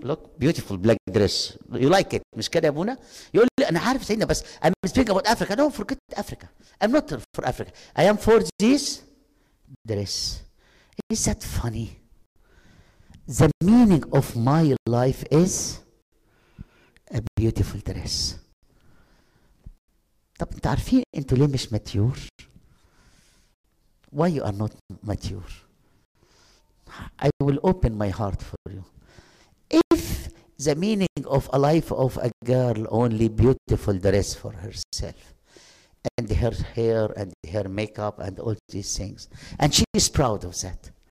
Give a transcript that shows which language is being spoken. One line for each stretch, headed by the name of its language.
English: Look, beautiful black dress. You like it, مشكلة Abuna? You only,
Arabic: أنا عارف
English: Sayyidina, but I'm speaking about Africa. No, forget Africa. I'm not for Africa. I am for this dress. Is that funny? The meaning of my life is a beautiful dress.
Arabic: طب انت عارفين انت ليه مش mature?
English: Why you are not mature? I will open my heart for you. If the meaning of a life of a girl only beautiful dress for herself and her hair and her makeup and all these things and she is proud of that.